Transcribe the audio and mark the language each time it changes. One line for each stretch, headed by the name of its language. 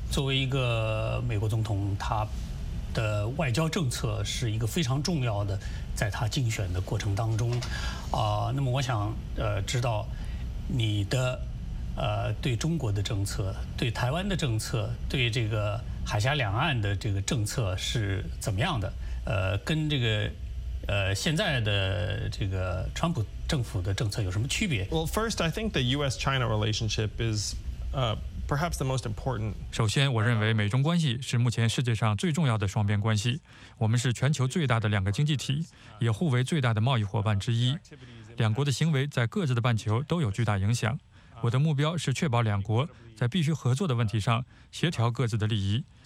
Chinese: 作为一个美国总统，他的外交政策是一个非常重要的，在他竞选的过程当中，那么我想知道你的对中国的政策、对台湾的政策、对这个海峡两岸的这个政策是怎么样的？跟这个。现在的这个川普政府的政策有什么区别？
English: Well, first, I think the U.S.-China relationship is perhaps the most important.
Chinese: 首先，我认为美中关系是目前世界上最重要的双边关系。我们是全球最大的两个经济体，也互为最大的贸易伙伴之一。两国的行为在各自的半球都有巨大影响。我的目标是确保两国在必须合作的问题上协调各自的利益。